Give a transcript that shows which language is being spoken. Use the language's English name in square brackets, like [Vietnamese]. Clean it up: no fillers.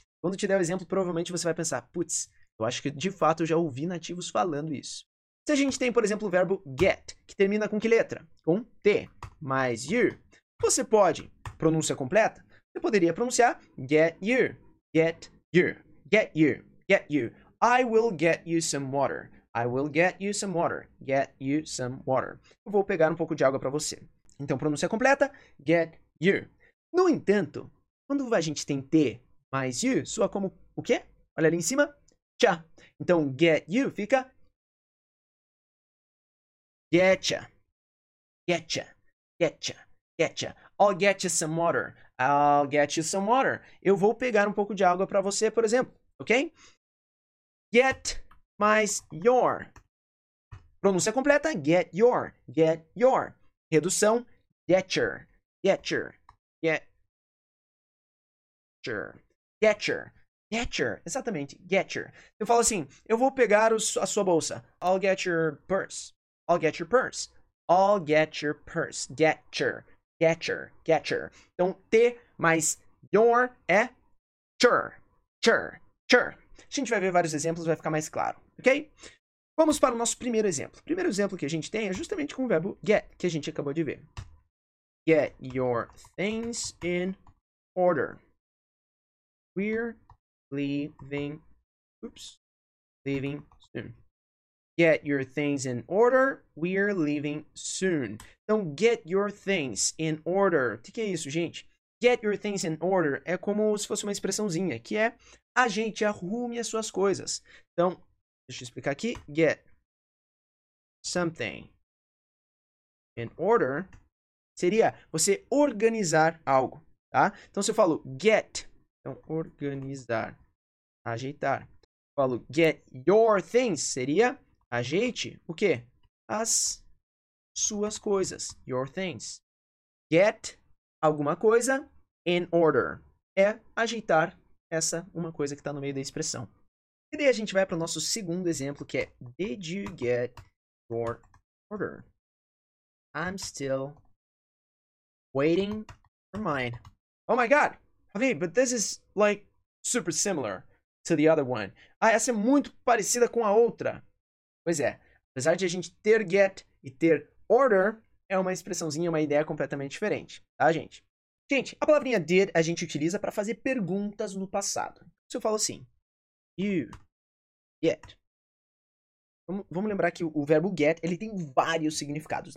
[Portuguese] Quando eu te der o exemplo, provavelmente você vai pensar, putz, eu acho que de fato eu já ouvi nativos falando isso. Se a gente tem, por exemplo, o verbo get, que termina com que letra? Com T mais your. Você pode, pronúncia completa, você poderia pronunciar [English] get your, get your, get your, get your. I will get you some water, I will get you some water, get you some water. [Portuguese] Eu vou pegar um pouco de água para você. Então, pronúncia completa, [English] get your. [Portuguese] No entanto, quando a gente tem T mais you, soa como o quê? Olha ali em cima, cha. Então, [English] get you [Portuguese] fica [English] getcha, getcha, getcha, getcha. I'll get you some water, I'll get you some water. [Portuguese] Eu vou pegar um pouco de água para você, por exemplo, ok? [English] Get mais your. [Portuguese] Pronúncia completa, [English] get your, get your. Redução, getcher, getcher, getcher, getcher, getcher, exatamente, getcher. [Portuguese] Eu falo assim, eu vou pegar a sua bolsa, [English] I'll get your purse, I'll get your purse, I'll get your purse, getcher, getcher, getcher. [Portuguese] Então, T mais your é cher, cher, cher. A gente vai ver vários exemplos, vai ficar mais claro, ok? Vamos para o nosso primeiro exemplo. O primeiro exemplo que a gente tem é justamente com o verbo get, que a gente acabou de ver. [English] Get your things in order. We're leaving, leaving soon. Get your things in order. We're leaving soon. Então, get your things in order. [Portuguese] O que é isso, gente? [English] Get your things in order [Portuguese] é como se fosse uma expressãozinha, que é a gente arrume as suas coisas. Então, deixa eu explicar aqui. [English] Get something in order [Portuguese] seria você organizar algo, tá? Então, se eu falo get, então organizar, ajeitar. Eu falo [English] get your things [Portuguese] seria ajeite o quê? As suas coisas, [English] your things. [Portuguese] Get alguma coisa [English] in order [Portuguese] é ajeitar essa uma coisa que está no meio da expressão. E daí a gente vai para o nosso segundo exemplo, que é [English] did you get your order? I'm still waiting for mine. Oh my God! Ravi, but this is like super similar to the other one. [Portuguese] Ah, essa é muito parecida com a outra. Pois é, apesar de a gente ter get e ter order, é uma expressãozinha, uma ideia completamente diferente, tá, gente? Gente, a palavrinha did a gente utiliza para fazer perguntas no passado. Se eu falo assim, [English] you get. [Portuguese] Vamos lembrar que o verbo get, ele tem vários significados.